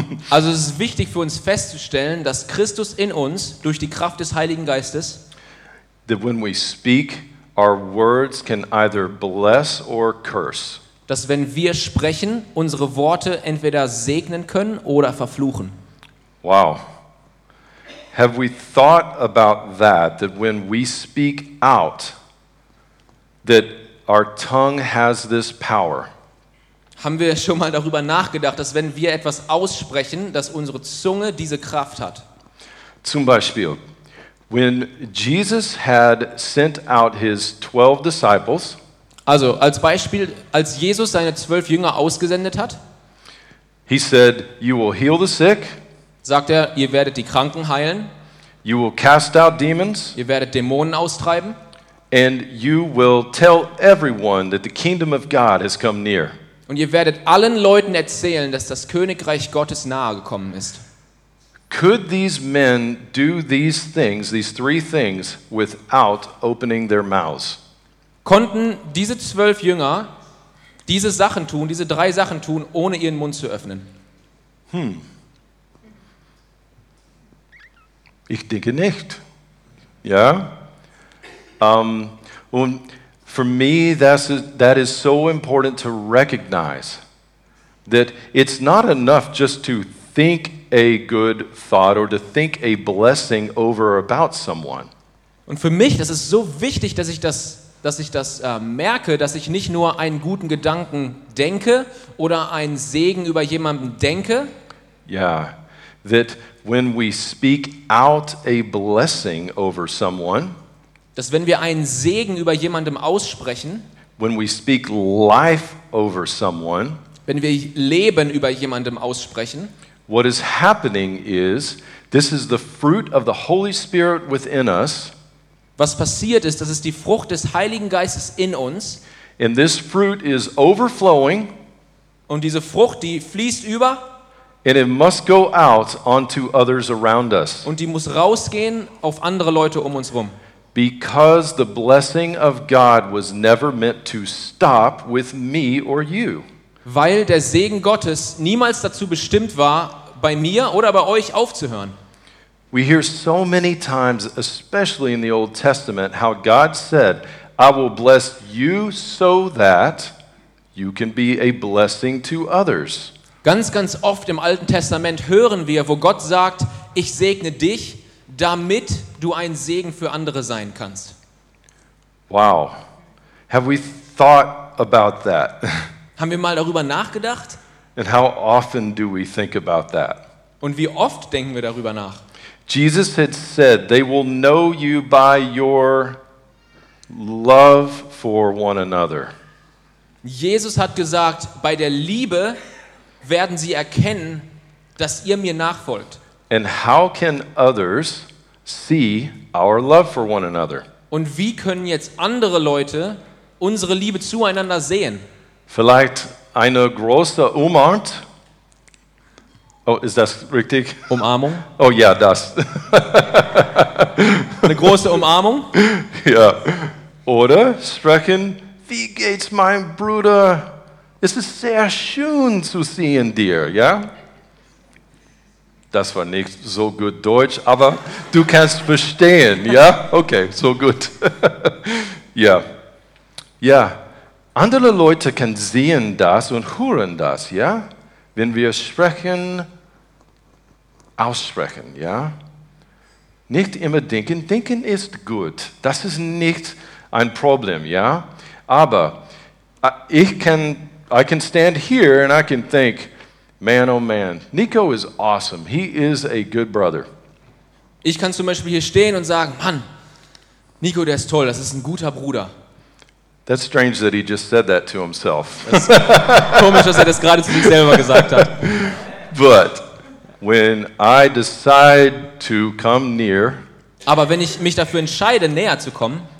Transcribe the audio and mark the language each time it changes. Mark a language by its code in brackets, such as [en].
[de] Also es ist wichtig für uns festzustellen, dass Christus in uns durch die Kraft des Heiligen Geistes, [en] that when we speak, our words can either bless or curse. [de] Dass wenn wir sprechen, unsere Worte entweder segnen können oder verfluchen. [en] Wow. Have we thought about that, that when we speak out, that our tongue has this power? [de] Haben wir schon mal darüber nachgedacht, dass wenn wir etwas aussprechen, dass unsere Zunge diese Kraft hat? Zum Beispiel, [en] when Jesus had sent out his 12 disciples, [de] also als Beispiel, als Jesus seine 12 Jünger ausgesendet hat, [en] he said, you will heal the sick, [de] sagt er, ihr werdet die Kranken heilen, [en] you will cast out demons, [de] ihr werdet Dämonen austreiben, [en] and you will tell everyone that the kingdom of God has come near. [de] Und ihr werdet allen Leuten erzählen, dass das Königreich Gottes nahe gekommen ist. [en] Could these men do these things, these three things, without opening their mouths? [de] Konnten diese 12 Jünger diese Sachen tun, diese drei Sachen tun, ohne ihren Mund zu öffnen? Ich denke nicht. Ja? [en] Und for me, that is so important to recognize that it's not enough just to think a good thought or to think a blessing over or about someone. [de] Und für mich, das ist so wichtig, dass ich merke, dass ich nicht nur einen guten Gedanken denke oder einen Segen über jemanden denke. [en] Yeah, that when we speak out a blessing over someone, [de] dass wenn wir einen Segen über jemandem aussprechen, [en] when we speak life over someone, [de] wenn wir Leben über jemandem aussprechen, [en] what is happening is, this is the fruit of the Holy Spirit within us. [de] Was passiert ist, das ist die Frucht des Heiligen Geistes in uns. [en] And this fruit is overflowing. [de] Und diese Frucht, die fließt über. [en] And it must go out onto others around us. [de] Und die muss rausgehen auf andere Leute um uns rum. [en] Because the blessing of God was never meant to stop with me or you. [de] Weil der Segen Gottes niemals dazu bestimmt war, bei mir oder bei euch aufzuhören. [en] We hear so many times, especially in the Old Testament, how God said, I will bless you so that you can be a blessing to others. [de] Ganz, ganz oft im Alten Testament hören wir, wo Gott sagt, ich segne dich, damit du ein Segen für andere sein kannst. [en] Wow. Have we thought about that? [de] Haben wir mal darüber nachgedacht? [en] And how often do we think about that? [de] Und wie oft denken wir darüber nach? [en] Jesus had said, they will know you by your love for one another. [de] Jesus hat gesagt, bei der Liebe werden sie erkennen, dass ihr mir nachfolgt. [en] And how can others see our love for one another? [de] Und wie können jetzt andere Leute unsere Liebe zueinander sehen? Vielleicht eine große Umarmung. Oh, ist das richtig? Umarmung? Oh ja, das. Eine große Umarmung? Ja. Oder sprechen, wie geht's, mein Bruder? Es ist sehr schön zu sehen dir, ja? Das war nicht so gut Deutsch, aber du kannst verstehen, ja? Okay, so gut. Ja. Ja. Andere Leute können sehen das und hören das, ja? Wenn wir sprechen, aussprechen, ja? Nicht immer denken. Denken ist gut. Das ist nicht ein Problem, ja? [en] Aber I can stand here and I can think, man, oh man, Nico is awesome. He is a good brother. [de] Ich kann zum Beispiel hier stehen und sagen, Mann, Nico, der ist toll, das ist ein guter Bruder. [en] That's strange that he just said that to himself. [de] Komisch, dass er das gerade zu sich selber gesagt hat. [en] But when I decide to come near, [de] aber wenn ich mich dafür entscheide, näher zu kommen,